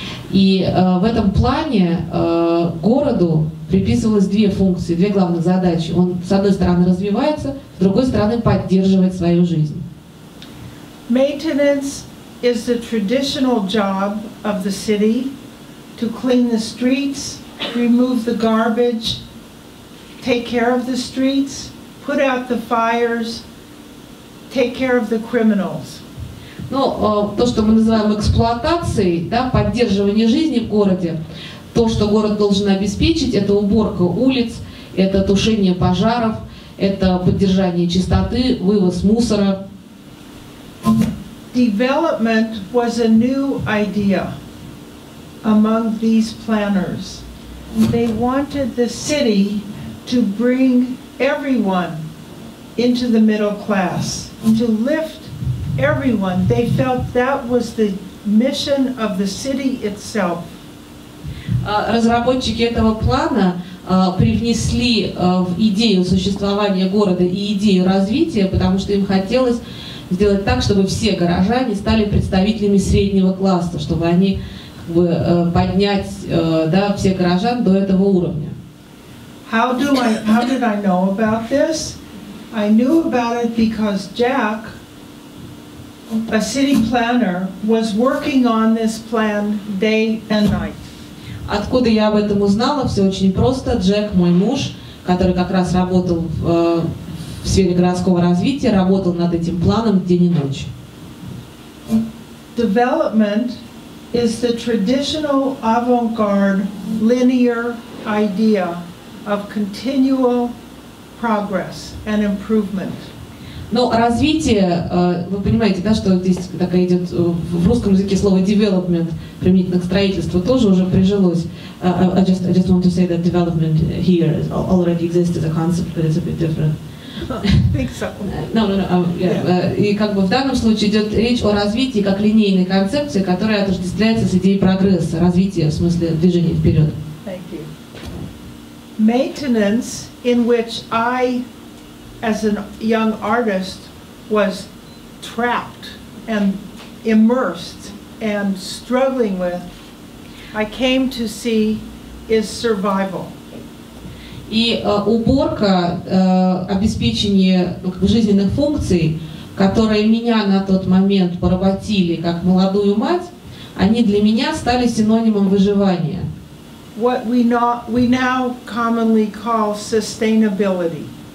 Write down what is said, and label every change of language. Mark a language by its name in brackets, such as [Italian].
[Russian] И в этом плане городу приписывалось две функции, две главных задачи. Он, с одной стороны, развивается, с другой стороны, поддерживает свою жизнь. [English] Maintenance is the traditional job of the city to clean the streets, remove the garbage, take care of the streets, put out the fires, take care of the criminals. [Russian] Ну, то, что мы называем эксплуатацией, да, поддерживание жизни в городе, то, что город должен обеспечить, это уборка улиц, это тушение пожаров, это поддержание чистоты, вывоз мусора. [English] Development was a new idea among these planners. They wanted the city to bring everyone into the middle class, to lift everyone. They felt that was the mission of the city itself. [Russian] Разработчики этого плана привнесли в идею существования города и идею развития, потому что им хотелось сделать так, чтобы все горожане стали представителями среднего класса, чтобы они как бы, поднять да, всех горожан до этого уровня. [English] How did I know about this? I knew about it because Jack, a city planner, was working on this plan day and night. [Russian] Откуда я об этом узнала? Все очень просто. Джек, мой муж, который как раз работал в сфере городского развития, работал над этим планом день и ночь. [English] Development is the traditional avant-garde linear idea of continual progress and improvement. [Russian] Но развитие, вы понимаете, да, что здесь такая идет в русском языке слово development применительно к строительству тоже уже прижилось. [English] I just want to say that development here already exists as a concept, but it's a bit different. I think so. [Russian] И как бы в данном случае идет речь о развитии как линейной концепции, которая отождествляется с идеей прогресса, развития в смысле движения вперед. [English] Thank you. [Russian] Maintenance, in which I, as a young artist, was trapped and immersed and struggling with, I came to see is survival. И уборка, обеспечение жизненных функций, которые меня на тот момент поработили как молодую мать, они для меня стали синонимом выживания. [English] What we now commonly call sustainability.